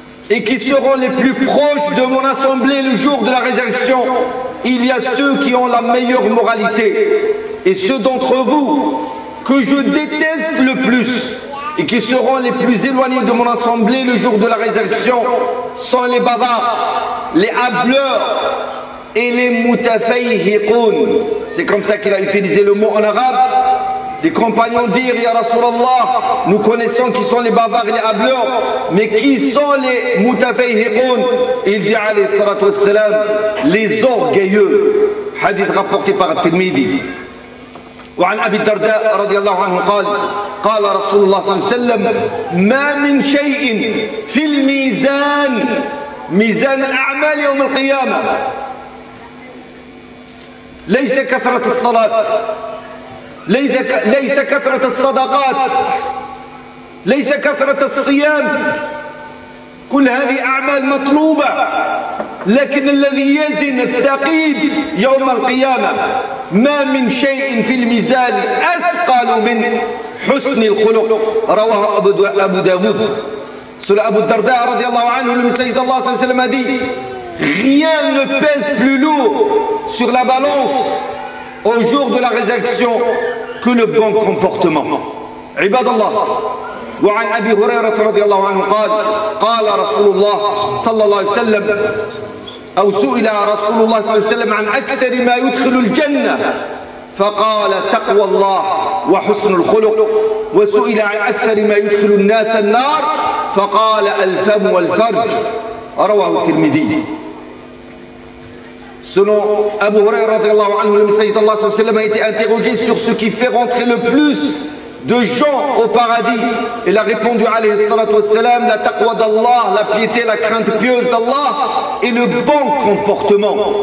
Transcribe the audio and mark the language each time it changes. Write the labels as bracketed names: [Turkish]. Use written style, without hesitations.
[French] et qui seront les plus proches de mon assemblée le jour de la résurrection Il y a ceux qui ont la meilleure moralité et ceux d'entre vous que je déteste le plus et qui seront les plus éloignés de mon assemblée le jour de la résurrection sont les bavards, les hableurs et les mutafayhiqoun. C'est comme ça qu'il a utilisé le mot en arabe. Les compagnons dirent, [Arabic] Ya Rasulallah, [French] nous connaissons qui sont les bavards et les hableurs, mais qui sont les mutafayhiqoun? Il dit, [Arabic] alayhi salatu wassalam, [French] les orgueilleux. Hadith rapporté par At-Tirmidhi. [Arabic] Wa an Abi Darda, radiallahu anhu, qala Rasulullah sallallahu alayhi wasallam, ma min shay'in fil mizan, mizan al-a'mal yawm al-qiyamah. ليس كثرة الصلاة ليس كثرة الصدقات، ليس كثرة الصيام، كل هذه أعمال مطلوبة، لكن الذي يزن الثقيل يوم القيامة ما من شيء في الميزان أثقل من حسن الخلق. رواه أبو داود. سئل أبو الدرداء رضي الله عنه لما سيد الله صلى الله عليه وسلم هذه [French] rien ne pèse plus lourd sur la balance au jour de la résurrection que le bon comportement. [Arabic] عباد الله. وعن أبي هريرة رضي الله عنه قال قال رسول الله صلى الله عليه وسلم أو سئل رسول الله صلى الله عليه وسلم عن أكثر ما يدخل الجنة فقال تقوى الله وحسن الخلق، وسئل عن أكثر ما يدخل الناس النار فقال الفم والفرج. رواه الترمذي. [French] Selon Abu Huraira [Arabic] radhiyallahu anhu, [French] le messager d'Allah [Arabic] sallallahu alayhi wa sallam [French] a été interrogé sur ce qui fait rentrer le plus de gens au paradis. Il a répondu [Arabic] alayhi salatu wa sallam, [French] la taqwa d'Allah, la piété, la crainte pieuse d'Allah et le bon comportement.